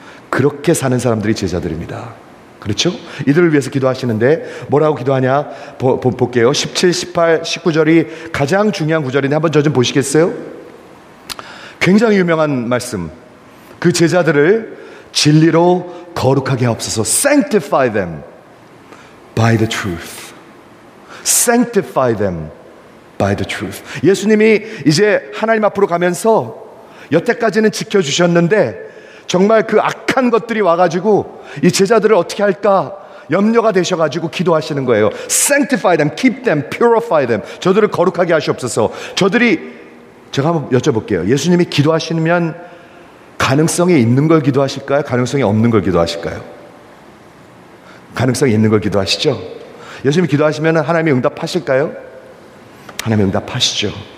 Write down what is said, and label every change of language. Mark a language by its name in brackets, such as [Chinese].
[Korean] 그렇게 사는 사람들이 제자들입니다. 그렇죠? 이들을 위해서 기도하시는데 뭐라고 기도하냐 볼게요. 17, 18, 19절이 가장 중요한 구절인데 한번 저 좀 보시겠어요? 굉장히 유명한 말씀. 그 제자들을 진리로 거룩하게 하옵소서. [English] Sanctify them by the truth. Sanctify them by the truth. [Korean] 예수님이 이제 하나님 앞으로 가면서 여태까지는 지켜주셨는데 정말 그 악한 것들이 와가지고 이 제자들을 어떻게 할까 염려가 되셔가지고 기도하시는 거예요. [English] Sanctify them, keep them, purify them. [Korean] 저들을 거룩하게 하시옵소서. 저들이, 제가 한번 여쭤볼게요. 예수님이 기도하시면 가능성이 있는 걸 기도하실까요? 가능성이 없는 걸 기도하실까요? 가능성이 있는 걸 기도하시죠? 예수님이 기도하시면 하나님이 응답하실까요? 하나님이 응답하시죠.